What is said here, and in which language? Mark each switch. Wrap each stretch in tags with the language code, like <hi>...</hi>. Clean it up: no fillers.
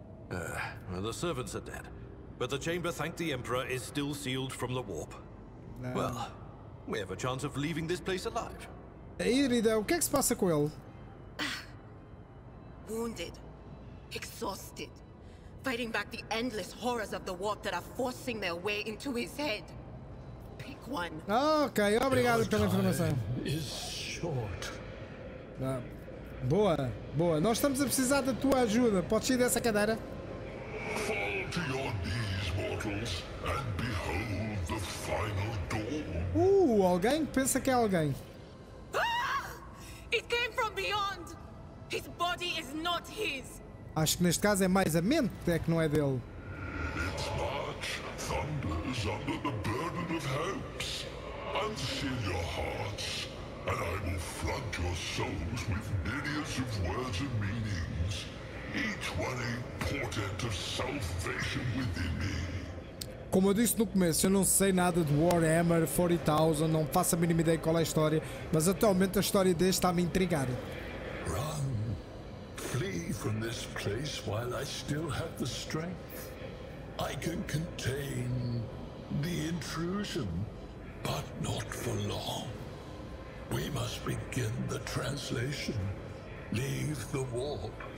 <en>The servants are dead, but the chamber thanked the Emperor is still sealed from the warp. Well, we have a chance of leaving this place alive.</en> <pt>Irida, o que é que se passa com ele?</pt> <en>Wounded, exhausted, fighting back the endless horrors of the warp that are forcing their way into his head. Pick one.</en> <pt>Ok, obrigado pela informação.</pt> <en>Is short.</en> <pt>Boa, boa. Nós estamos a precisar da tua ajuda. Podes ir dessa cadeira?</pt> <en>Fall to your knees, mortals, and behold the final dawn.</en> <pt>Alguém? Pensa que é alguém.</pt> <en>It came from beyond. His body is not his.</en> <pt>Acho que neste caso é mais a mente é que não é dele.</pt> <en>Its march thunders under the burden of hopes. Unseal your hearts, and I will flood your souls with myriads of words and meanings. Each one a portent of salvation within me.</en> <pt>Como eu disse no começo, eu não sei nada de Warhammer 40,000, não faço a mínima ideia qual é a história, mas atualmente a história deste está a me intrigar.</pt> <en>Run. Flee from this place while I still have the strength. I can contain the intrusion, but not for long. We must begin the translation. Leave the warp.</en>